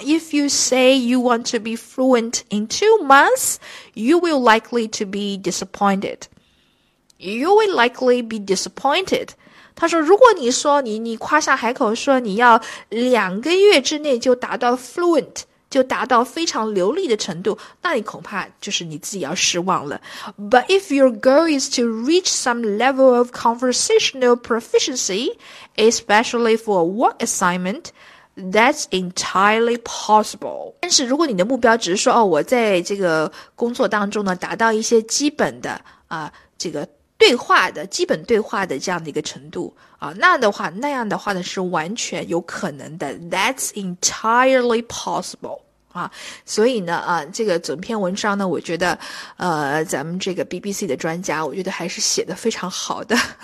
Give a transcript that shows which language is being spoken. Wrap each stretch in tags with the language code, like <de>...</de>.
<en>If you say you want to be fluent in 2 months, you will likely to be disappointed. You will likely be disappointed.</en> <zh>他说如果你说你夸下海口说你要2个月之内就达到 fluent， 就达到非常流利的程度，那你恐怕就是你自己要失望了。</zh> <en>But if your goal is to reach some level of conversational proficiency, especially for a work assignment,That's entirely possible.</en> <zh>但是如果你的目标只是说哦，我在这个工作当中呢达到一些基本的这个对话的基本对话的这样的一个程度啊，那样的话呢是完全有可能的。</zh> <en>That's entirely possible.</en> <zh>啊，所以呢啊，这个整篇文章呢，我觉得咱们这个 BBC 的专家，我觉得还是写得非常好的。</zh>